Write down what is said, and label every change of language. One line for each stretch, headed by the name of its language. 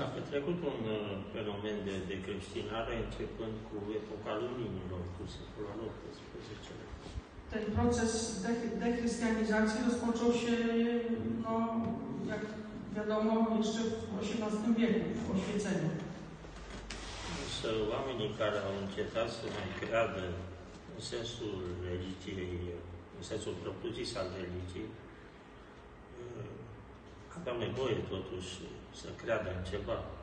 Romanian: Trecutul fenomen de creștinare începând cu epoca luminilor, cu secolul al XVIII-lea.
Polish: Ten proces dechristianizacji rozpoczął się, no, jak wiadomo, jeszcze w XVIII wieku, w oświeceniu.
Romanian: Însă oamenii care au încetat să mai creadă în sensul religiei, în sensul propriu-zis al religiei, aveau nevoie totuși să creadă în ceva.